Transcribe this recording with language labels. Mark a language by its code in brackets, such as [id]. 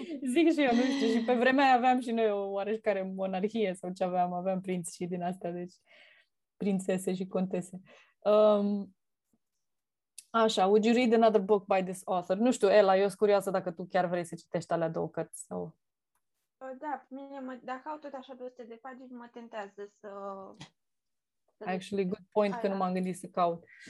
[ro] Zic și eu, nu știu, și pe vremea aia aveam și noi oareșcare monarhie sau ce aveam, aveam prinți și din astea, deci prințese și contese. Așa, [en] would you read another book by this author? [ro] Nu știu, Ela, eu sunt curioasă dacă tu chiar vrei să citești alea două cărți sau... Da, mine dacă au tot așa 200 de pagini, mă tentează să... [en] Actually, good point, [ro] că nu m-am gândit să caut.